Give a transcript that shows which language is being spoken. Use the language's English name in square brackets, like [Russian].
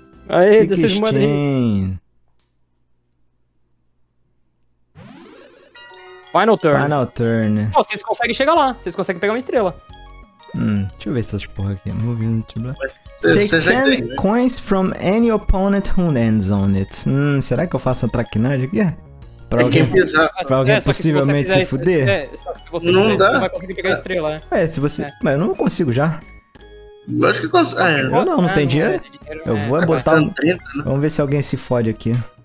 [Portuguese] Aí, deixa eu mandar ele. [English] Final turn. [Portuguese] Pô, vocês conseguem chegar lá. Vocês conseguem pegar uma estrela. Deixa eu ver essas porra aqui. [English] Moving to black. Take 10 né? Coins from any opponent who lands on it. [Portuguese] Será que eu faço a traquinagem aqui? Pra alguém pisar. Pra alguém possivelmente se fuder? Não dá. Não vai conseguir pegar a estrela, né? Mas eu não consigo já. Eu acho que consigo. Não tem dinheiro. Eu vou é botar. 30, né? Vamos ver se alguém se fode aqui.